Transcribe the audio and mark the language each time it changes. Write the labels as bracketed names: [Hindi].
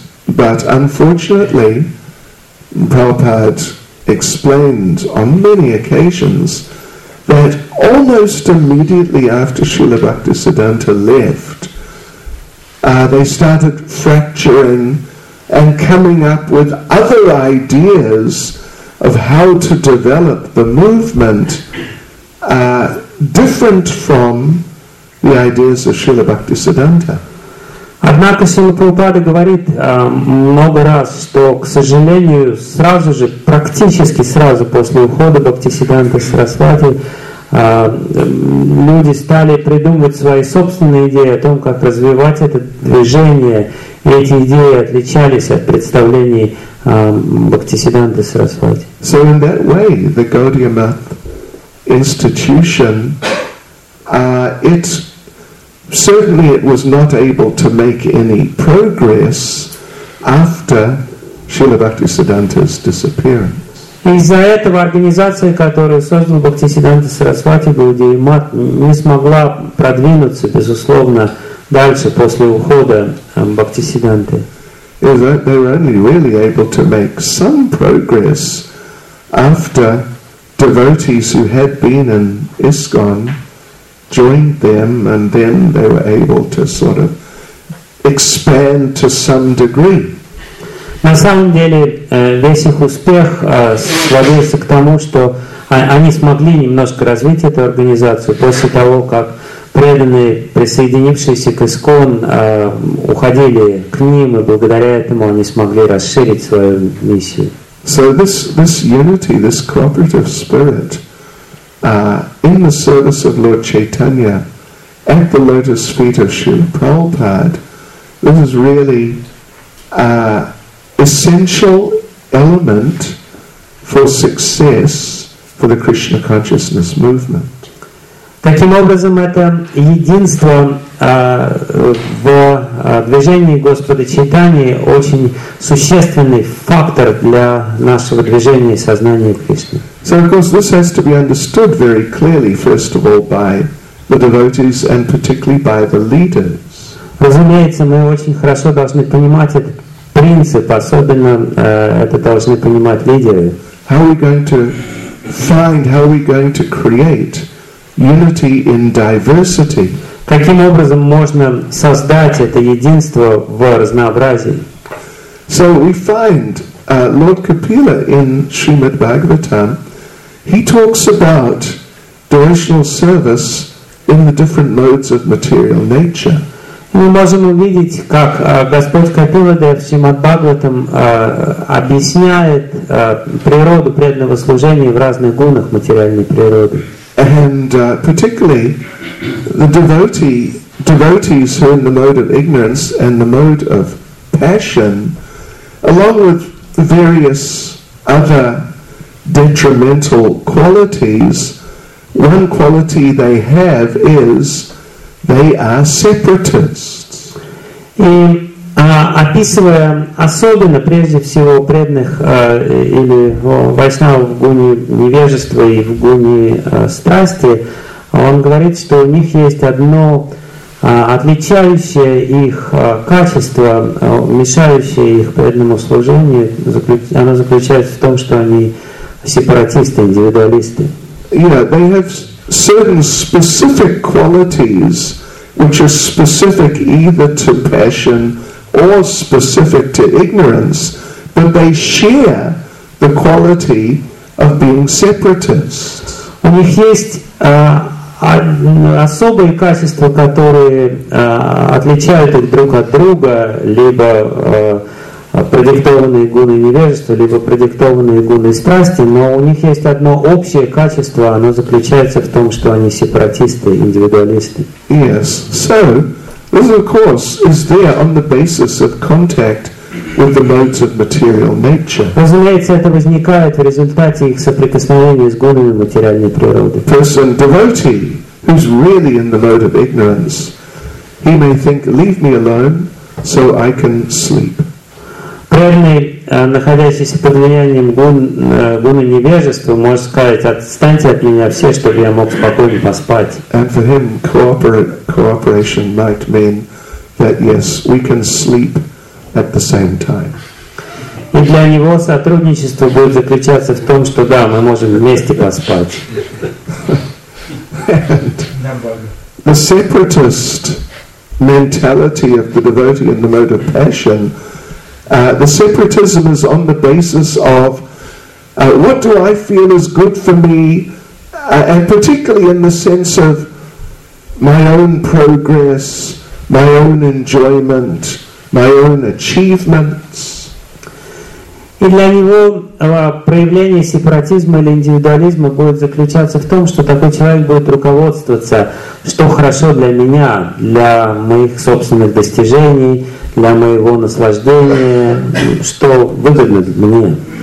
[English] But unfortunately, Prabhupada explained on many occasions that almost immediately after Srila Bhaktisiddhanta left, they started fracturing and coming up with other ideas of how to develop the movement different from the ideas of Srila Bhaktisiddhanta. [Russian] Однако Шрила Прабхупада говорит много раз, что, к сожалению, сразу же, практически сразу после ухода Бхактисиддханты Сарасвати, люди стали придумывать свои собственные идеи о том, как развивать это движение. И эти идеи отличались от представлений Бхактисиддханты Сарасвати. [English] So in that way, the Gaudiya Math institution, it certainly it was not able to make any progress after Srila Bhaktisiddhanta's disappearance. [Russian] Из-за этого организация, которую создал Бхактисиддханта Сарасвати, Гаудия Math, не смогла продвинуться, безусловно, дальше после ухода Бхактисиддханты. [English] They were only really able to make some progress after devotees who had been in ISKCON joined them, and then they were able to sort of expand to some degree. [Russian] На самом деле, весь их успех сводился к тому, что они смогли немножко развить эту организацию после того, как преданные, присоединившиеся к ИСКОН, уходили к ним, и благодаря этому они смогли расширить свою миссию. [English] So this unity, this cooperative spirit, in the service of Lord Chaitanya, at the lotus feet of Srila Prabhupada, this is really essential element for success for the Krishna consciousness movement. [Russian] Таким образом, это единство в движении Господа Чайтаньи очень существенный фактор для нашего движения сознания Кришны. [English] So, of course, this has to be understood very clearly, first of all, by the devotees and particularly by the leaders. [Russian] Разумеется, мы очень хорошо должны понимать это. Принцип, особенно это должны понимать лидеры. [English] How are we going to find, how are we going to create unity in diversity? [Russian] Каким образом можно создать это единство в разнообразии? [English] So we find Lord Kapila in Srimad Bhagavatam, he talks about devotional service in the different modes of material nature. [Russian] Мы можем увидеть, как Господь Капиладев в Шримад-Бхагаватам объясняет природу преданного служения в разных гунах материальной природы. [English] And particularly the devotees who are in the mode of ignorance and the mode of passion, along with various other detrimental qualities, one quality they have is they are separatists. [Russian] И описывая особенно, прежде всего, преданных или вайшнава в гуне невежества и в гуне страсти, он говорит, что у них есть одно отличающее их качество, мешающее их преданному служению, оно заключается в том, что они сепаратисты, индивидуалисты. [English] Yeah, they have certain specific qualities which are specific either to passion or specific to ignorance, but they share the quality of being separatists. [Russian] У них есть особые качества, которые отличают их друг от друга, либо продиктованные гуны невежества, либо продиктованные гуны страсти, но у них есть одно общее качество, оно заключается в том, что они сепаратисты, индивидуалисты. [English] Yes. So, this of course is there on the basis of contact with the modes of material nature. [Russian] Разумеется, это возникает в результате их соприкосновения с гунами материальной природы. [English] Person, devotee, who's really in the mode of ignorance, he may think, leave me alone so I can sleep. [Russian] Преданный, находящийся под влиянием гуны невежества, может сказать, отстаньте от меня все, чтобы я мог спокойно поспать. [English] And for him, cooperation might mean that, yes, we can sleep at the same time. [Russian] И для него сотрудничество будет заключаться в том, что да, мы можем вместе поспать. [English] The separatist mentality of the devotee in the mode of passion, the separatism is on the basis of what do I feel is good for me, and particularly in the sense of my own progress, my own enjoyment, my own achievements. [Russian] И для него проявление сепаратизма или индивидуализма будет заключаться в том, что такой человек будет руководствоваться, что хорошо для меня, для моих собственных достижений, для моего наслаждения, что выгодно мне.